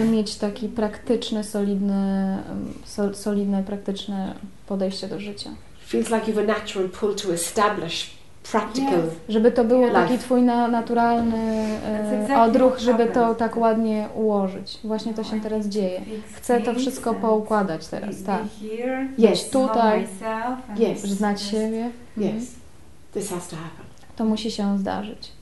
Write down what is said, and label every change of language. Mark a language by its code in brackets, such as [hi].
[pl] Żeby mieć taki praktyczny, solidne praktyczne podejście do życia. [en] Feels like you have a natural pull to establish practical. Yes. [pl] Żeby to było taki twój naturalny odruch, żeby to tak ładnie ułożyć. Właśnie to się teraz dzieje. Chcę to wszystko poukładać teraz, tak. [en] Yes. [pl] Tutaj. [en] Yes. [pl] Znać siebie. [en] Yes. This has to happen. [pl] To musi się zdarzyć.